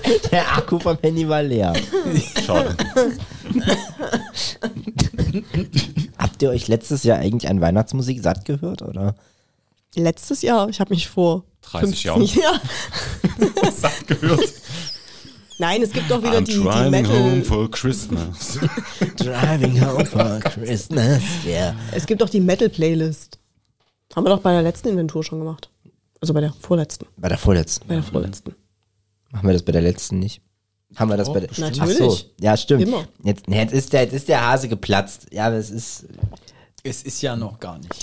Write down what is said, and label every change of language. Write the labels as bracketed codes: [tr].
[de] Der Akku vom Handy war leer. Schade. Habt ihr euch letztes Jahr eigentlich an Weihnachtsmusik satt gehört, oder? Letztes Jahr? Ich habe mich vor 30 Jahren satt gehört. Nein, es gibt doch wieder [en] I'm driving home for Christmas. Driving home for Christmas, yeah. [de] Es gibt doch die Metal-Playlist. Haben wir doch bei der letzten Inventur schon gemacht. Also bei der vorletzten. Bei der vorletzten. Bei der vorletzten. Machen wir das bei der letzten nicht? Haben wir das bei der... Natürlich. Ach so. Ja, stimmt. Immer. Jetzt ist der Hase geplatzt. Ja, das ist... Es ist ja noch gar nicht.